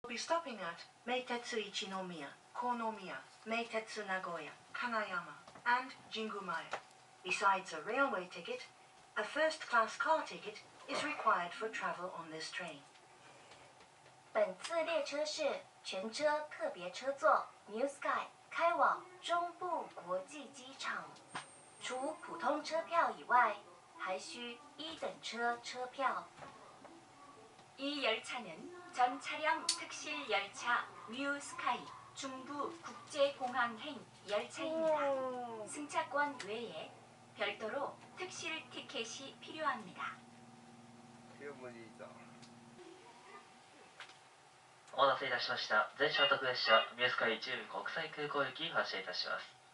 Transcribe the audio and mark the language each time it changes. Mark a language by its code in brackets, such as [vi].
[en] be stopping at 名鉄一宮、神宮、名鉄名古屋、金山、and 神宮前。 Besides a railway ticket, a first class car ticket is required for travel on this train. [zh] 本次列车是全车特别车座 New Sky 开往中部国际机场。除普通车票以外，还需一等车车票。 [ko] 이열차는전차량특실열차 New Sky 중부국제공항행열차입니다승차권외에별도로특실티켓이필요합니다 [ja] お待たせいたしました。全車特別車 New Sky 中部国際空港行き発車いたします。